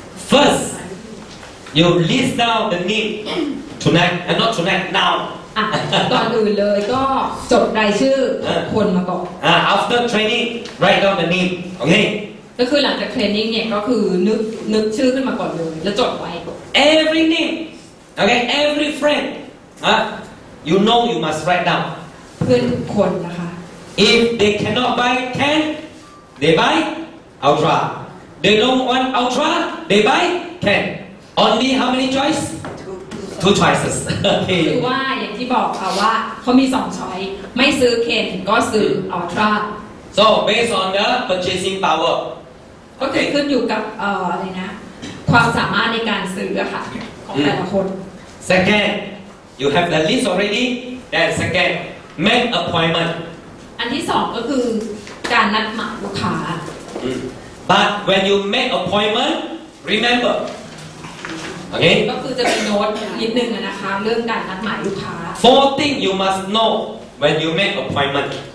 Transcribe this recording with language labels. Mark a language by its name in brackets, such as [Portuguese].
[English] First you list down the name tonight and not tonight now [Thai] ก่อนอื่นเลยก็จดรายชื่อคนมาก่อน [English] After training write down the name okay [Thai] ก็คือหลังจากเทรนนิ่งเนี่ยก็คือนึกชื่อขึ้นมาก่อนเลยแล้วจดไว้ [English] every name okay every friend you know you must write down [Thai] เพื่อนทุกคนนะคะ [English] if they cannot buy 10 they buy ultra they don't want ultra they buy 10 only how many choice two choices [Thai] okay คือว่าอย่างที่บอกค่ะว่าเขามี2 choice ไม่ซื้อ10ก็ซื้อ ultra [English] so based on the purchasing power [Thai] ก็คือขึ้นอยู่กับอะไรนะความสามารถในการซื้อค่ะของแต่ละคน [English] Second you have the list already then second make appointment [Thai] อันที่สองก็คือการนัดหมายลูกค้า [English] But when you make appointment remember okay [Thai] ก็คือจะมีโน้ตนิดนึงนะคะเรื่องการนัดหมายลูกค้า [English] Four things you must know when you make appointment